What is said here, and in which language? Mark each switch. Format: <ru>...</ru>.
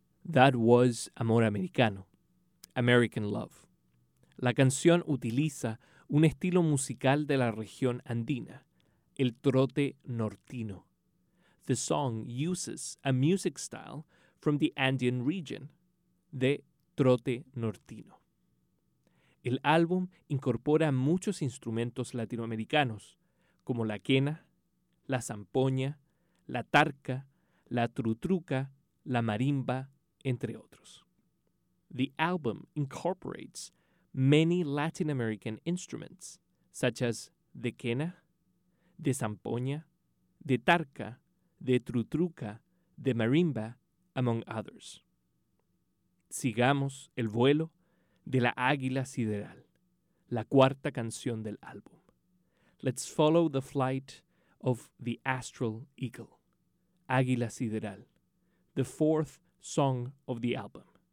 <en>That was Amor Americano, American Love.</en> <es>La canción utiliza un estilo musical de la región andina, el trote nortino.</es> <en>The song uses a music style from the Andean region, de trote nortino.</en> <es>El álbum incorpora muchos instrumentos latinoamericanos, como la quena, la zampoña, la tarca, la trutruca, la marimba, entre otros.</es> <en>The album incorporates many Latin American instruments, such as the quena, the zampoña, the tarca, the trutruca, the marimba, among others.</en> <es>Sigamos el vuelo de la águila sideral, la cuarta canción del álbum.</es> <en>Let's follow the flight of the astral eagle, Águila Sideral, the fourth song of the album.</en>